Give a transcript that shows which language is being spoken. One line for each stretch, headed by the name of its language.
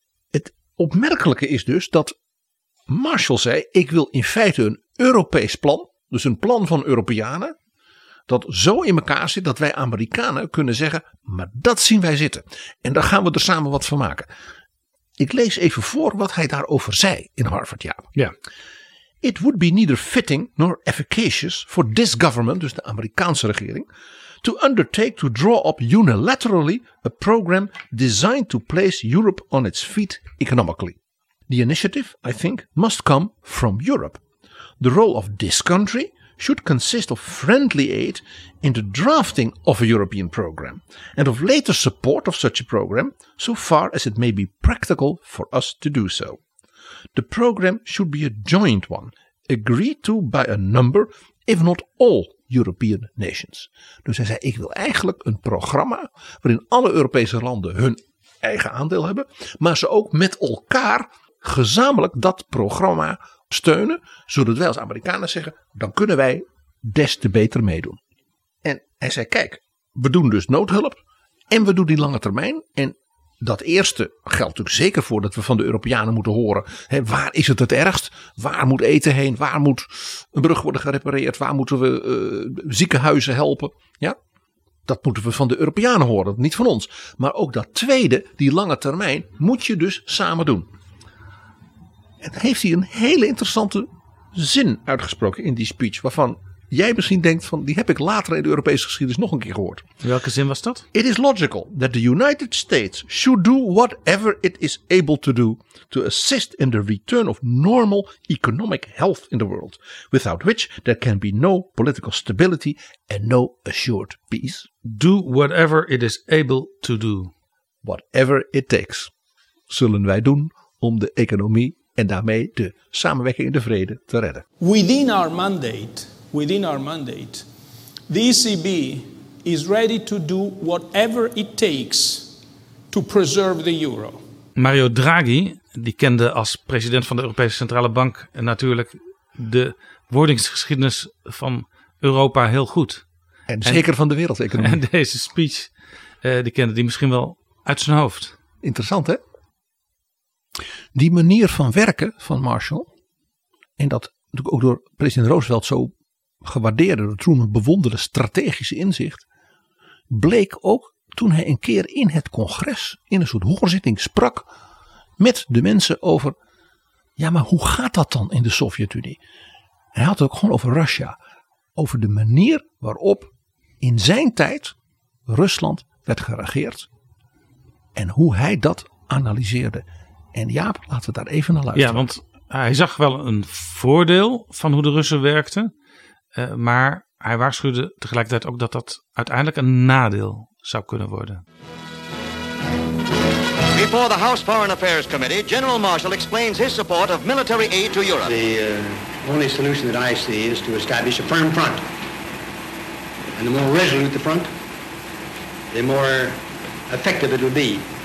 Dutch: Het opmerkelijke is dus dat Marshall zei, ik wil in feite een Europees plan, dus een plan van Europeanen, dat zo in elkaar zit dat wij Amerikanen kunnen zeggen, maar dat zien wij zitten. En daar gaan we er samen wat van maken. Ik lees even voor wat hij daarover zei in Harvard, Jaap. Ja.
English: It would be neither fitting nor efficacious for this government,
Dutch: dus de Amerikaanse regering,
English: to undertake to draw up unilaterally a program designed to place Europe on its feet economically. The initiative, I think, must come from Europe. The role of this country should consist of friendly aid in the drafting of a European program and of later support of such a program, so far as it may be practical for us to do so. The program should be a joint one, agreed to by a number, if not all, European nations.
Dutch: Dus hij zei, ik wil eigenlijk een programma waarin alle Europese landen hun eigen aandeel hebben, maar ze ook met elkaar gezamenlijk dat programma steunen, zodat wij als Amerikanen zeggen, dan kunnen wij des te beter meedoen. En hij zei, kijk, we doen dus noodhulp en we doen die lange termijn en Dat eerste geldt natuurlijk zeker voor dat we van de Europeanen moeten horen. Hè, waar is het ergst? Waar moet eten heen? Waar moet een brug worden gerepareerd? Waar moeten we ziekenhuizen helpen? Ja? Dat moeten we van de Europeanen horen, niet van ons. Maar ook dat tweede, die lange termijn, moet je dus samen doen. En heeft hij een hele interessante zin uitgesproken in die speech, waarvan jij misschien denkt van, die heb ik later in de Europese geschiedenis nog een keer gehoord. Welke zin was dat?
English: It is logical that the United States should do whatever it is able to do to assist in the return of normal economic health in the world, without which there can be no political stability and no assured peace. Do whatever it is able to do. Whatever it takes,
Dutch: zullen wij doen om de economie en daarmee de samenwerking in de vrede te redden.
English: Within our mandate, the ECB is ready to do whatever it takes to preserve the euro.
Dutch: Mario Draghi, die kende als president van de Europese Centrale Bank natuurlijk de wordingsgeschiedenis van Europa heel goed. En zeker van de wereldeconomie. En deze speech, die kende die misschien wel uit zijn hoofd. Interessant, hè? Die manier van werken van Marshall, en dat natuurlijk ook door president Roosevelt zo gewaardeerde, door Truman bewonderde strategische inzicht, bleek ook toen hij een keer in het congres, in een soort hoorzitting sprak met de mensen over, ja, maar hoe gaat dat dan in de Sovjet-Unie? Hij had het ook gewoon over Russia, over de manier waarop in zijn tijd Rusland werd geregeerd en hoe hij dat analyseerde. En Jaap, laten we daar even naar luisteren. Ja, want hij zag wel een voordeel van hoe de Russen werkten. Maar hij waarschuwde tegelijkertijd ook dat dat uiteindelijk een nadeel zou kunnen worden.
English: Before the House Foreign Affairs Committee, General Marshall explains his support of military aid to Europe. The only solution that I see is to establish a firm front. And the more resolute the front, the more effective it will be.